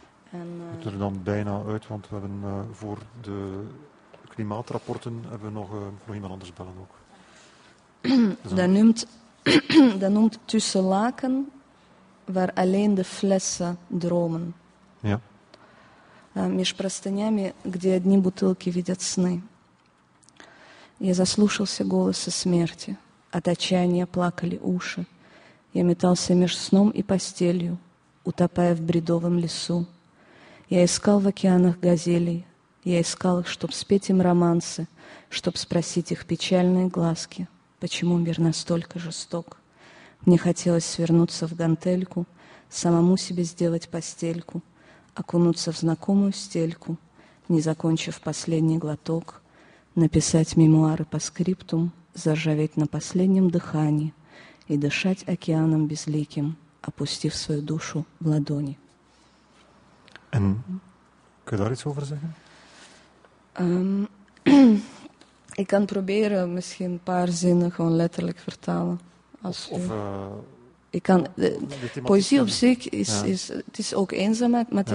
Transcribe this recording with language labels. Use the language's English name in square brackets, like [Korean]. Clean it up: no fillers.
[Dutch] En, het er dan bijna uit, want we hebben voor de klimaatrapporten hebben we nog iemand anders bellen ook. Dat noemt tussen laken waar alleen de flessen dromen. Ja. [Russian] Меж простынями, где одни бутылки видят сны. Я заслушался голоса смерти, от отчаяния плакали уши. Я метался меж сном и постелью, утопая в бредовом лесу. Я искал в океанах газелей, я искал их, чтоб спеть им романсы, чтоб спросить их печальные глазки, почему мир настолько жесток. Мне хотелось свернуться в гантельку, самому себе сделать постельку, окунуться в знакомую стельку, не закончив последний глоток, написать мемуары по скриптум, заржаветь на последнем дыхании и дышать океаном безликим, опустив свою душу в ладони. [Dutch] En kun je daar iets over zeggen? ik kan proberen misschien een paar zinnen gewoon letterlijk vertalen. Als of u... ik kan, de poëzie op zich is, ja. is, het is ook eenzaamheid, maar het ja.